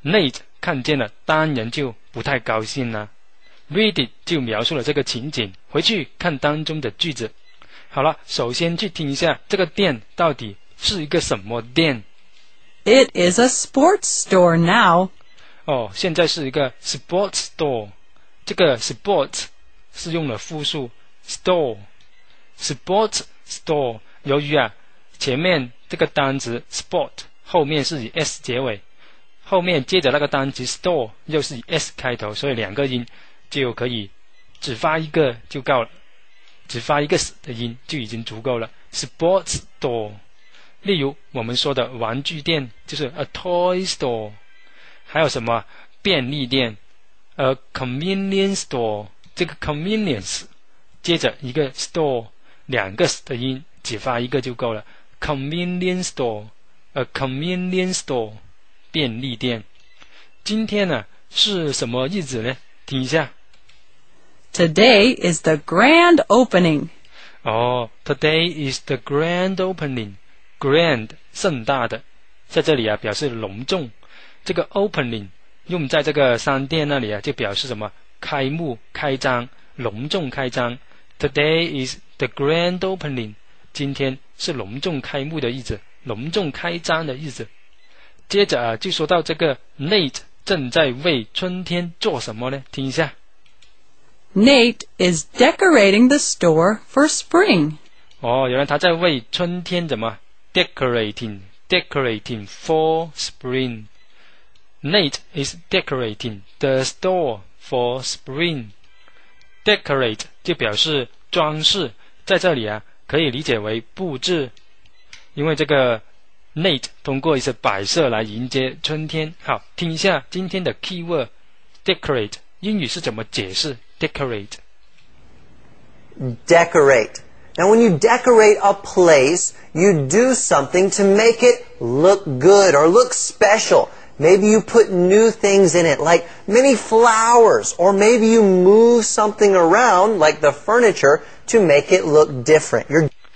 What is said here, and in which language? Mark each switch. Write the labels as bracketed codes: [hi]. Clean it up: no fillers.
[zh] Nate 看见了当然就不太高兴了。 [en] Read it [zh] 就描述了这个情景，回去看当中的句子。好了，首先去听一下这个店到底是一个什么店。 [en] It is a sports store now. [zh] 哦，现在是一个 sports store。这个 sports 是用了复数 store， sports store。由于啊前面这个单词 sport 后面是以 s 结尾，后面接着那个单词 store 又是以 s 开头，所以两个音就可以只发一个就够了，只发一个 s 的音就已经足够了， sports store。例如我们说的玩具店就是 [en] a toy store， [zh] 还有什么便利店 [en] A convenience store， [zh] 这个 convenience 接着一个 store， 两个 s 的音只发一个就够了， convenience store， [en] a convenience store， [zh] 便利店。今天呢是什么日子呢？听一下。 [en] Today is the grand opening. 哦， today is the grand opening. [zh] Grand 盛大的，在这里啊表示隆重。这个 opening用在这个商店那里啊，就表示什么开幕、开张、隆重开张。 [en] Today is the grand opening. [zh] 今天是隆重开幕的日子，隆重开张的日子。接着啊，就说到这个 Nate 正在为春天做什么呢？听一下。 [en] Nate is decorating the store for spring. [zh] 哦，原来他在为春天怎么 [en] decorating for spring. Nate is decorating the store for spring. [zh] Decorate 就表示装饰，在这里啊可以理解为布置，因为这个 Nate 通过一些摆设来迎接春天。好，听一下今天的 keyword decorate 英语是怎么解释。 [en] Decorate. Now, when you decorate a place, you do something to make it look good or look special. Maybe you put new things in it, like many flowers, or maybe you move something around, like the furniture, to make it look different.